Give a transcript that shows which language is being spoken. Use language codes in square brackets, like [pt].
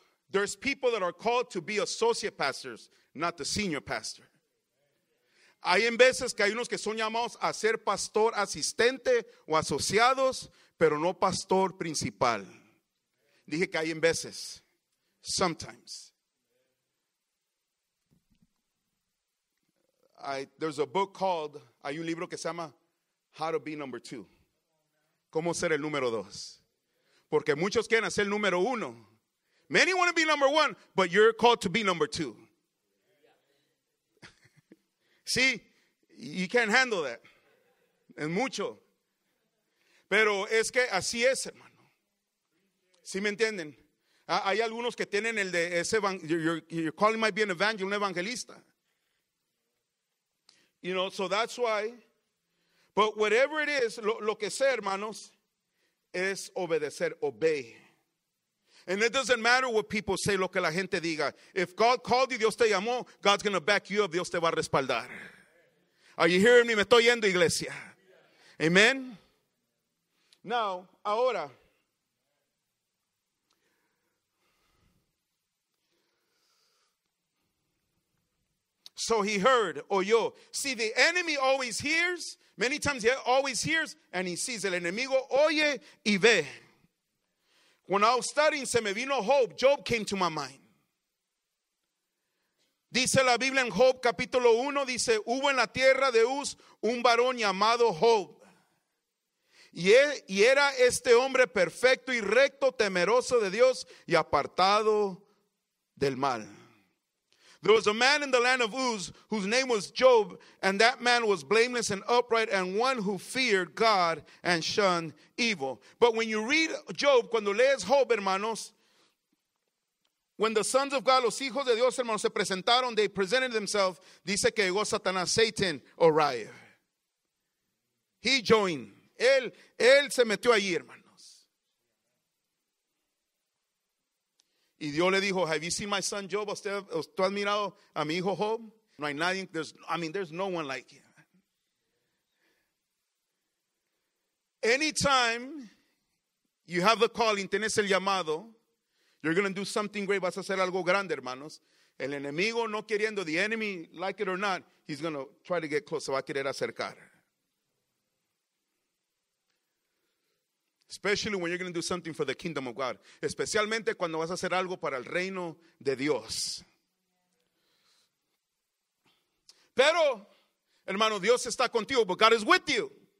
[en] There's people that are called to be associate pastors, not the senior pastor. [es] Hay en veces que hay unos que son llamados a ser pastor asistente o asociados, pero no pastor principal. Dije que hay en veces, [en] sometimes. There's a book called, [es] hay un libro que se llama How to Be Number Two. ¿Cómo ser el número dos? Porque muchos quieren ser el número uno. [en] Many want to be number one, but you're called to be number two. See, you can't handle that. [es] Es mucho. Pero es que así es, hermano. ¿Sí me entienden? Hay algunos que tienen el de ese, [en] your calling might be an evangelist, [es] un evangelista. [en] You know, so that's why. But whatever it is, [es] lo que sea, hermanos, es obedecer, [en] obey. And it doesn't matter what people say, [es] lo que la gente diga. [en] If God called you, [es] Dios te llamó, [en] God's going to back you up, [es] Dios te va a respaldar. [en] Are you hearing me? [es] Me estoy yendo, iglesia. [en] Amen. Now, ahora. So he heard, oyó. See, the enemy always hears. Many times he always hears and he sees. [es] El enemigo oye y ve. [en] When I was studying, [es] se me vino hope. [en] Job came to my mind. [es] Dice la Biblia en Job capítulo 1, dice, hubo en la tierra de Uz un varón llamado Job. Y era este hombre perfecto y recto, temeroso de Dios y apartado del mal. [en] There was a man in the land of Uz whose name was Job, and that man was blameless and upright, and one who feared God and shunned evil. But when you read Job, [es] cuando lees Job, hermanos, [en] when the sons of God, [es] los hijos de Dios, hermanos, se presentaron, [en] they presented themselves, [es] dice que llegó Satanás, [en] Satan arrived. He joined. [es] Él se metió allí, hermanos. Y Dios le dijo, [en] have you seen my son Job? [es] ¿Tú has mirado a mi hijo Job? No hay nadie, [en] there's no one like him. Anytime you have the calling, [es] tienes el llamado, [en] you're going to do something great. [es] Vas a hacer algo grande, hermanos. El enemigo no queriendo, [en] the enemy, like it or not, he's going to try to get close. [es] Se va a querer acercar. [en] Especially when you're going to do something for the kingdom of God. [es] Especialmente cuando vas a hacer algo para el reino de Dios. Pero, hermano, Dios está contigo, [en] but God is with you.